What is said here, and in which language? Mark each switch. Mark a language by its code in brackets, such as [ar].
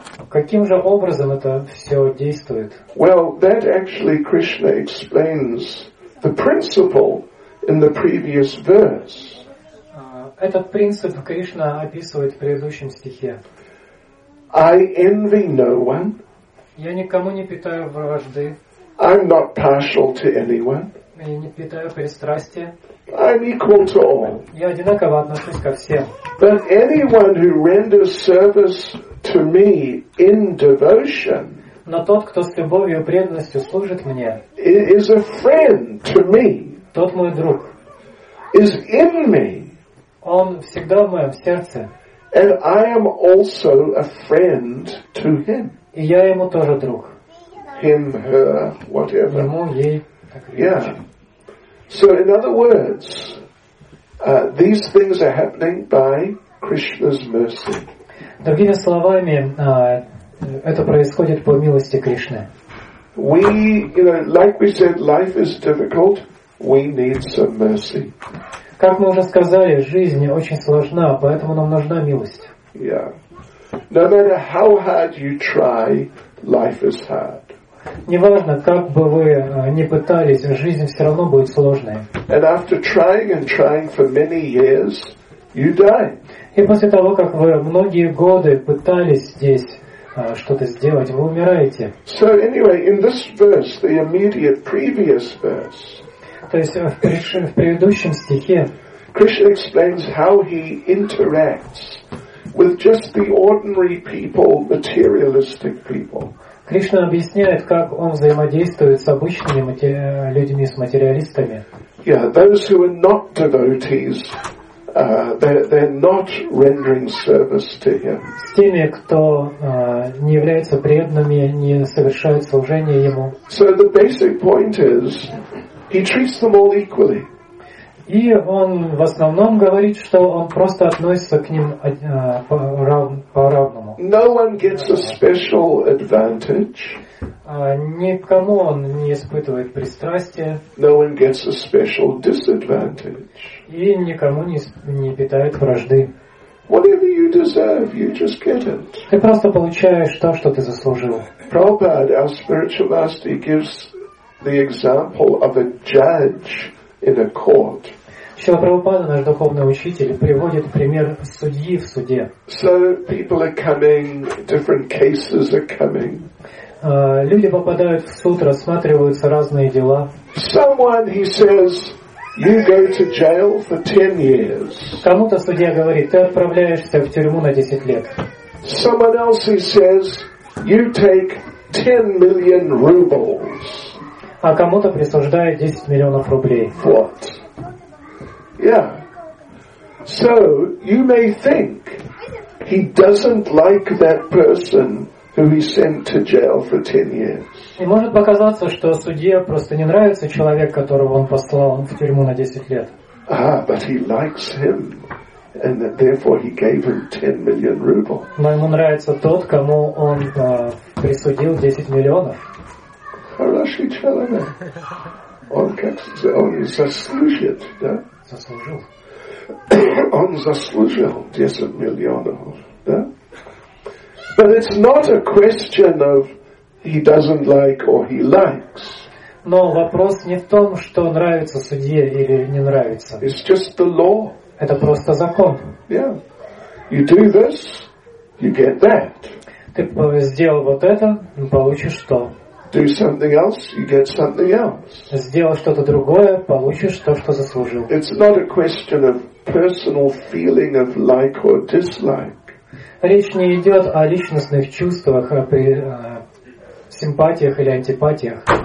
[ru] Каким же образом это все действует? [en] Well, that actually Krishna explains the principle in the previous verse. [ru] Этот принцип Кришна описывает в предыдущем стихе. [en] I envy no one. [ru] Я никому не питаю вражды. [en] I'm not partial to anyone. [ru] Я не питаю пристрастия. [en] I'm equal to all. [ru] Я одинаково отношусь ко всем. [en] But anyone who renders service to me in devotion, [ru] но тот, кто с любовью и преданностью служит мне, [en] is a friend to me. [ru] Тот мой друг. [en] Is in me. [ru] Он всегда в моем сердце. [en] And I am also a friend to him. [ru] И я ему тоже друг. [en] Him, her, whatever. [ru] Ему, ей. [en] Yeah. So, in other words, these things are happening by Krishna's mercy. [ru] Другими словами, это происходит по милости Кришны. [en] We, you know, like we said, life is difficult. We need some mercy. [ru] Как мы уже сказали, жизнь очень сложна, поэтому нам нужна милость. [en] Yeah. No matter how hard you try, life is hard. [ru] Неважно, как бы вы ни пытались, жизнь все равно будет сложной. [en] And after trying and trying for many years, you die. [ru] И после того, как вы многие годы пытались здесь что-то сделать, вы умираете. [en] So anyway, in this verse, the immediate previous verse. [ru] То есть в предыдущем стихе. [en] Krishna explains how he interacts with just the ordinary people, materialistic people. [ru] Кришна объясняет, как он взаимодействует с обычными людьми, с материалистами. [en] Yeah, those who are not devotees, they're not rendering service to him. [ru] С теми, кто не является преданными, не совершает служение ему. [en] So the basic point is, he treats them all equally. [ru] И он в основном говорит, что он просто относится к ним по-равному. [en] No one gets a special advantage. [ru] Никому он не испытывает пристрастия. [en] No one gets a special disadvantage. [ru] И никому не питает вражды. [en] Whatever you deserve, you just get it. [ru] Ты просто получаешь то, что ты заслужил. [en] Prabhupada, our spiritual master, gives the example of a judge in a court. [ru] Шрила Прабхупада, наш духовный учитель, приводит пример судьи в суде. [en] So people are coming, different cases are coming. [ru] Люди попадают в суд, рассматриваются разные дела. [en] Someone, he says, you go to jail for 10 years. [ru] Кому-то судья говорит, ты отправляешься в тюрьму на 10 лет. [en] Someone else, he says, you take 10 million rubles. [ru] А кому-то присуждают 10 миллионов рублей. [en] What? Yeah. So you may think he doesn't like that person who he sent to jail for 10 years. [ru] И может показаться, что судье просто не нравится человек, которого он послал в тюрьму на 10 лет. [en] Ah, but he likes him, and that therefore he gave him 10 million rubles. [ru] Но ему нравится тот, кому он присудил 10 миллионов. Хороший человек. Он как он заслужит, да? Заслужил. Он заслужил 10 миллионов, да? [en] But it's not a question of he doesn't like or he likes. [ru] Но вопрос не в том, что нравится судье или не нравится. [en] It's just the law. [ru] Это просто закон. [en] Yeah. You do this, you get that. [ru] Ты сделал вот это, получишь то. [en] Do something else, you get something else. [ru] Сделал что-то другое, получишь то, что заслужил. [en] It's not a question of personal feeling of like or dislike. [ru] Речь не идет о личностных чувствах, о симпатиях или антипатиях.